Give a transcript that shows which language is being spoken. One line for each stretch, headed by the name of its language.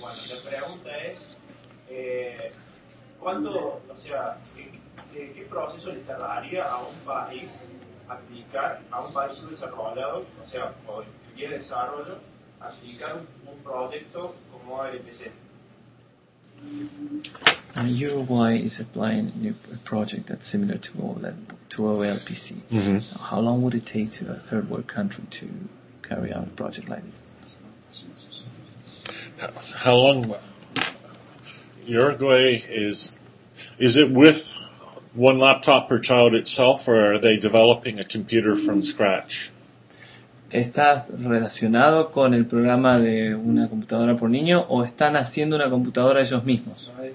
Spanish: Bueno, la pregunta es: ¿qué proceso le tardaría a un país aplicar, a un país subdesarrollado, o sea, en vía de desarrollo, aplicar un proyecto como LPC?
English: Uruguay is applying a project that's similar to OLPC. Mm-hmm. How long would it take to a third world country to carry out a project like this? how long Uruguay is it with one laptop per child itself, or are they developing a computer from scratch?
Spanish: ¿Está relacionado con el programa de una computadora por niño o están haciendo una computadora ellos mismos?